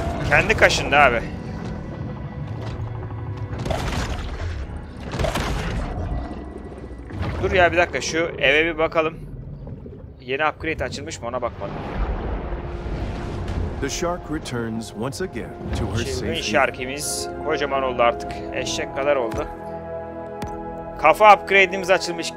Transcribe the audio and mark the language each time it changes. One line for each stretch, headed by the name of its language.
Turkish: Kendi kaşındı abi. Dur ya bir dakika, şu eve bir bakalım. Yeni upgrade açılmış mı, ona bakmadım.
English: The shark returns once again to her safety.
Turkish: Şimdi sharkimiz kocaman oldu artık. Eşek kadar oldu. Kafa upgrade'imiz açılmış.